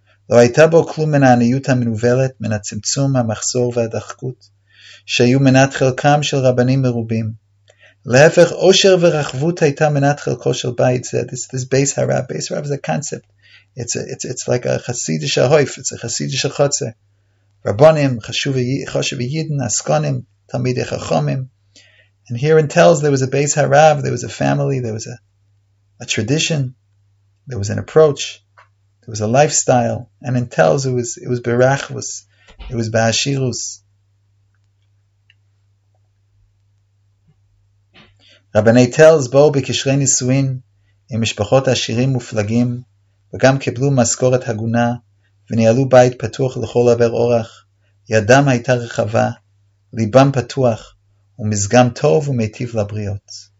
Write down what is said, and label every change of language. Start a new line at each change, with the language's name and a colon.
Hebrew: לא הייתה בו כלום מן העניות המנוולת, מן הצמצום, המחסור והדחקות, שהיו מנת חלקם של רבנים מרובים. להפך, עושר ורחבות הייתה מנת חלקו של בית זה.
English: This base harab. Base harab is a concept. It's like a
Hebrew: חסיד של הויף,
English: it's a
Hebrew: חסיד של חוצה. Rabbonim, Choshev Yidin, Askonim, Talmidei Chachomim.
English: And here in Telz, there was a Beis HaRav, there was a family, there was a tradition, there was an approach, there was a lifestyle. And in Telz, it was Berachvus, it was Ba'ashirus.
Hebrew: Rabbanei Telz bo b'kishrei nisuin, im mishpachot ashirim muflagim, v'gam kiblu maskoret haguna, וניהלו בית פתוח לכל עבר אורח, ידם הייתה רחבה, ליבם פתוח, ומזגם טוב ומיטיב לבריות.